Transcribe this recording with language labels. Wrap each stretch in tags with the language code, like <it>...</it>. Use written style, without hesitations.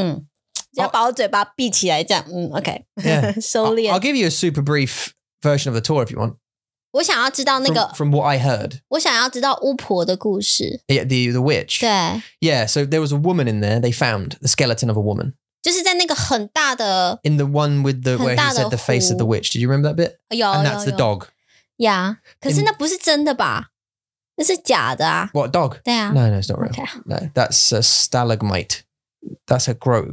<zh>你在讲什么？然后我都要就是要把我嘴巴闭起来，这样，okay.</zh> <en>Yeah. I'll give you a super brief version of the tour if you want.</en> <zh>我想要知道那个</zh> <en>from what I heard.</en> <zh>我想要知道巫婆的故事.</zh> <en>Yeah, the witch.</en> <zh>对.</zh> <en>Yeah, so there was a woman in there. They found the skeleton of a woman.</en> <zh>就是在那个很大的</zh> <en>in the one with the where he said the face of the witch. Did you remember that bit?</en> <zh>有.</zh> <en>And that's the dog.</en> <zh>Yeah. 可是那不是真的吧？这是假的啊?</zh> <en>What, dog?</en> <zh>对啊。</zh> <en>No, it's not real. Okay. No, that's a stalagmite. That's a growth.</en>